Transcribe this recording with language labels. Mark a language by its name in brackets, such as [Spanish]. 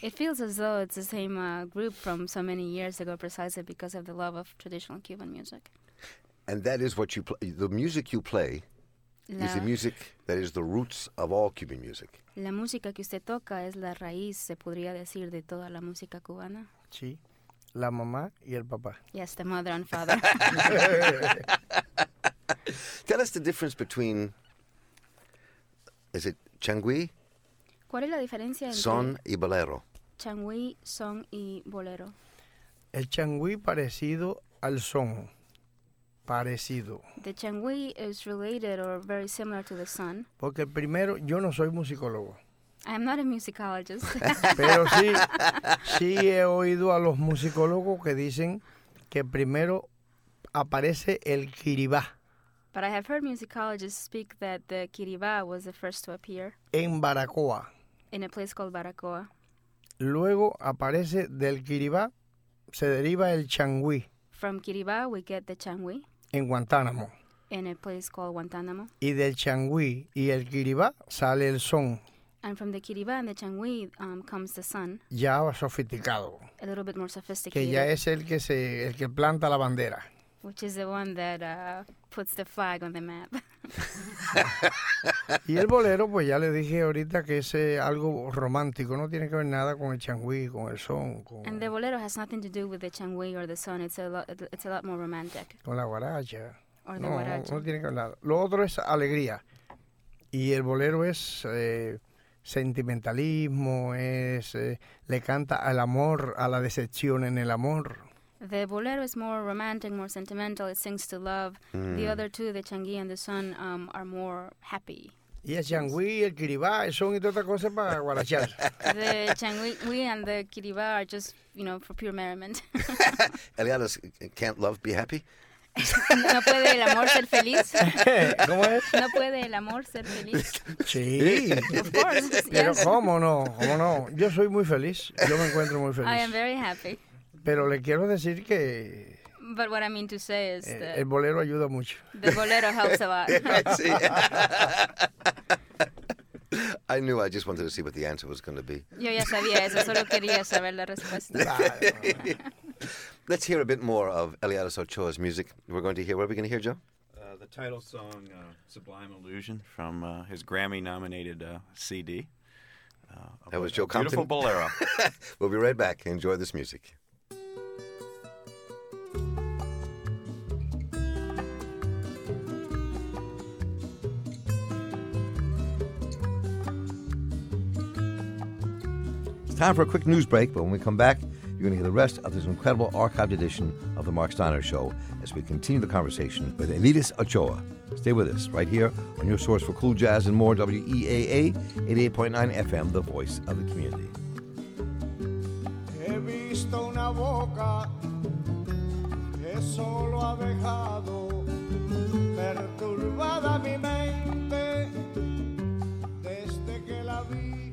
[English] It feels as though it's the same group from so many years ago, precisely because of the love of traditional Cuban music. And that is what you play, the music you play. Is the music that is the roots of all Cuban music. [Spanish] La música que usted toca es la raíz, se podría decir, de toda la música cubana. Sí, la mamá y el papá. [English] Yes, the mother and father. Tell us the difference between, is it changui? [Spanish] ¿Cuál es la diferencia entre son y bolero? Changui, son y bolero. El changui parecido al son. Parecido. [English] The changui is related or very similar to the sun. [Spanish] Porque primero, yo no soy musicólogo. [English] I am not a musicologist. [Spanish] Pero sí he oído a los musicólogos que dicen que primero aparece el kiribá. [English] But I have heard musicologists speak that the kiribá was the first to appear. [Spanish] En Baracoa. [English] In a place called Baracoa. [Spanish] Luego aparece del kiribá, se deriva el changui. [English] From kiribá we get the changui. [Spanish] En Guantánamo. [English] in a place called Guantánamo. [Spanish] Y del changüí y el kiribá sale el son. [English] And from the kiribá and the changüí comes the son. [Spanish] Ya sofisticado. [English] A little bit more sophisticated. [Spanish] Que ya es el que planta la bandera. [English] Which is the one that puts the flag on the map. [Spanish] Y el bolero, pues ya le dije ahorita que es algo romántico. No tiene que ver nada con el changüí, con el son. Con... [English] And the bolero has nothing to do with the changüí or the son. It's a lot more romantic. [Spanish] Con la guaracha. [English] Or the guaracha. [Spanish] No tiene que ver nada. Lo otro es alegría. Y el bolero es sentimentalismo, le canta al amor, a la decepción en el amor. [English] The bolero is more romantic, more sentimental. It sings to love. Mm. The other two, the changüí and the son, are more happy. [Spanish] Y el changüí, el kiribá, el son y todas estas cosas para guarachar. [English] The changüí and the kiribá are just, you know, for pure merriment. Eliana, can't love be happy? [Spanish] No puede el amor ser feliz. ¿Cómo es? No puede el amor ser feliz. Sí. [English] Of course. [Spanish] Pero [English] yes. [Spanish] ¿Cómo no? Yo soy muy feliz. Yo me encuentro muy feliz. [English] I am very happy. [Spanish] Pero le quiero decir que... [English] But what I mean to say is that... [Spanish] El bolero ayuda mucho. [English] The bolero helps a lot. [Spanish] Sí. [English] I knew, I just wanted to see what the answer was going to be. [Spanish] Yo ya sabía eso, solo quería saber la respuesta. [English] Let's hear a bit more of Eliades Ochoa's music. We're going to hear, what are we going to hear, Joe? The title song, Sublime Illusion, from his Grammy-nominated CD. That was Joe Compton. Beautiful bolero. We'll be right back. Enjoy this music. Time for a quick news break, but when we come back, you're going to hear the rest of this incredible archived edition of The Mark Steiner Show as we continue the conversation with Eliades Ochoa. Stay with us right here on your source for cool jazz and more, WEAA 88.9 FM, the voice of the community. [Spanish] He visto una boca que solo ha dejado perturbada mi mente desde que la vi.